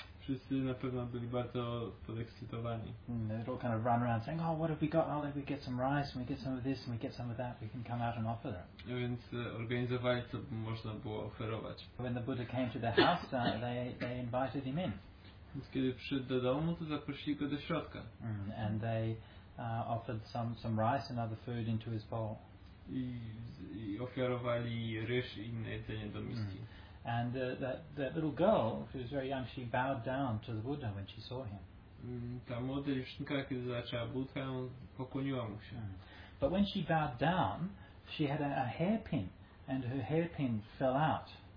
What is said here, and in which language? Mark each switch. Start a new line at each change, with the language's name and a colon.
Polish: Wszyscy na pewno byli bardzo podekscytowani.
English: They'd all kind of run around saying, oh, what have we got? Oh, let me get some rice, and we get some of this, and we get some of that. We can come out and offer them.
Polish: Więc organizowali, co by można było oferować.
English: When the Buddha came to the house, they invited him in.
Polish: Więc kiedy przyszedł do domu, to zaprosili go do środka.
English: And they offered some rice and other food into his bowl.
Polish: I ofiarowali ryż i inne jedzenie do miski.
English: And that little girl, who was very young, she bowed down to the Buddha when she saw him.
Polish: Ta młoda dziewczynka, kiedy zaczęła Buddhę, pokłoniła mu się.
English: But when she bowed down, she had a hairpin, and her hairpin fell out.